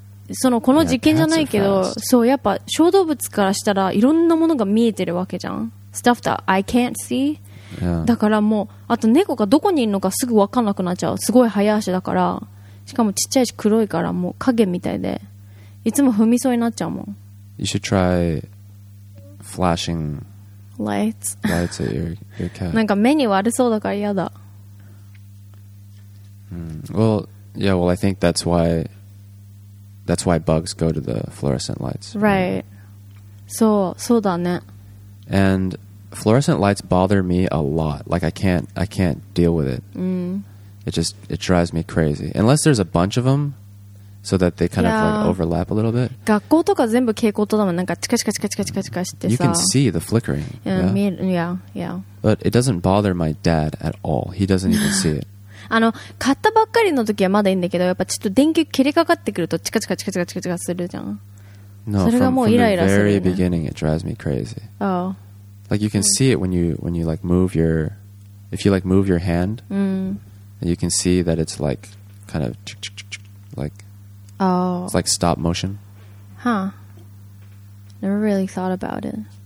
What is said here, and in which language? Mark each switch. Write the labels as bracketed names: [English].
[Japanese] そのこの実験じゃないけど、そうやっぱ小動物からしたらいろんなものが見えてるわけじゃん。 [English] Stuff that I can't see、 yeah. [Japanese] だからもうあと猫がどこにいるのかすぐ分かんなくなっちゃう。すごい早足だから、しかもちっちゃいし黒いからもう影みたいでいつも踏みそうになっちゃうもん。 [English] You should try flashing lights at your cat. [Japanese] なんか目に悪そうだから嫌だ。 [English] Well, yeah, well I think that's whyThat's why bugs go to the fluorescent lights. Right. So だね. And fluorescent lights bother me a lot. Like I can't deal with it. It drives me crazy. Unless there's a bunch of them, so that they kind of like overlap a little bit. [Japanese] 学校とか全部蛍光灯だもん。なんかチカチカチカチカチカチカしてさ。 [English] You can see the flickering. Yeah. But it doesn't bother my dad at all. He doesn't even see it. [Japanese] あの買ったばっかりの時はまだいいんだけど、やっぱちょっと電球切れかかってくるとチカチカチカチカチカチカするじゃん。 [English] No, [Japanese] それがもうイライラするよね。 [English] From the very beginning, it drives me crazy. Oh. Like you can see it when you like move your, if you like move your hand, you can see that it's like kind of like, oh, it's like stop motion. Huh. Never really thought about it.